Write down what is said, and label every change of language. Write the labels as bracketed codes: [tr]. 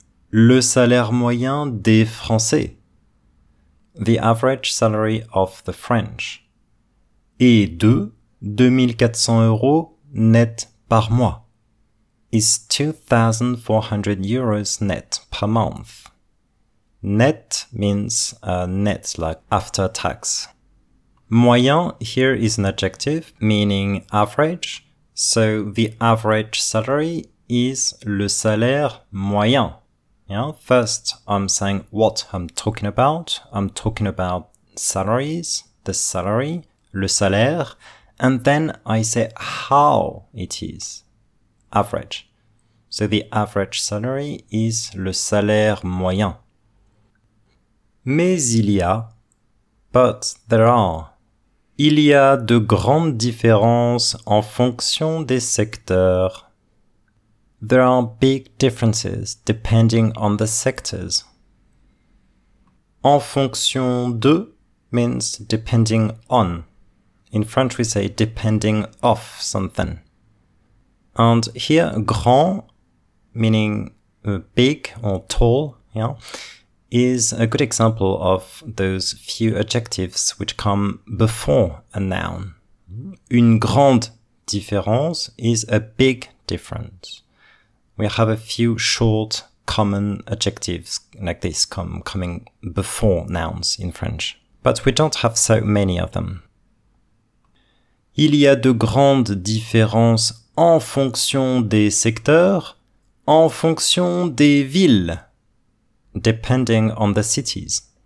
[fr] Le salaire moyen des Français. [en] The average salary of the French. [fr] Et 2400 euros net par mois. [en] Is 2400 euros net per month. Net means net, like after tax. Moyen here is an adjective meaning average. So the average salary is [fr] le salaire moyen. [en] Yeah, first I'm saying what I'm talking about. I'm talking about salaries, the salary, [fr] le salaire, [en] and then I say how it is, average. So the average salary is [fr] le salaire moyen. Mais il y a, [en] but there are, [fr] il y a de grandes différences en fonction des secteurs. [en] There are big differences depending on the sectors. [fr] En fonction de [en] means depending on. In French we say depending off something. And here grand, meaning big or tall, yeah, is a good example of those few adjectives which come before a noun. [fr] Une grande différence [en] is a big difference. We have a few short common adjectives like this coming before nouns in French. But we don't have so many of them. [fr] Il y a de grandes différences en fonction des secteurs, en fonction des villes, [en] depending on the cities.